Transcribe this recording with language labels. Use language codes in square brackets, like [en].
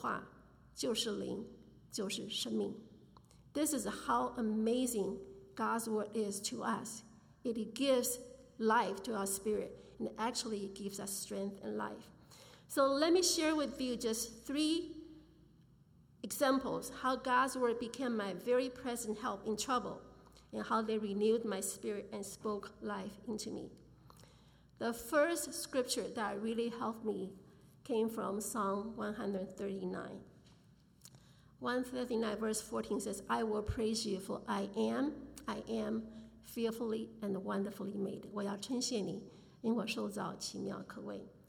[zh] 耶稣也说，叫人活着的乃是灵，肉体是无益的。我对你们所说的话就是灵，就是生命。 [en] This is how amazing God's word is to us. It gives life to our spirit, and actually it gives us strength and life. So let me share with you just three examples how God's word became my very present help in trouble, and how they renewed my spirit and spoke life into me. The first scripture that really helped me came from Psalm 139. 139 verse 14 says, I will praise you for I am fearfully and wonderfully made. [zh] 我要称谢你，因我受造奇妙可畏。